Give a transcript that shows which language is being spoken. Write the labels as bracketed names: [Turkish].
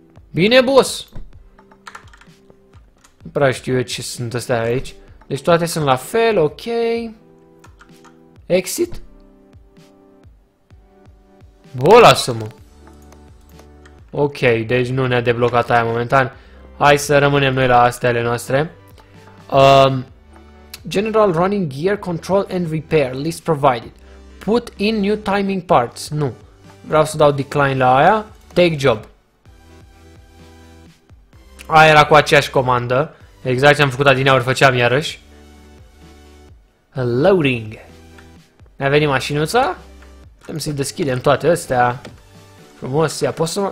[Romanian] Bine, boss. Nu prea știu eu ce sunt astea aici. Deci toate sunt la fel, ok. Exit. Bă, lasă-mă. Ok, deci nu ne-a deblocat aia momentan. Hai să rămânem noi la astele noastre. [English] General running gear control and repair list provided. Put in new timing parts. Nu. [Romanian] Vreau să dau decline la aia. [English] Take job. [Romanian] Aia era cu aceeași comandă. Exact ce am făcut adinea ori făceam iarăși. Loading. Ne-a venit mașinuța. Putem să-i deschidem toate astea. Frumos. Ia, pot să...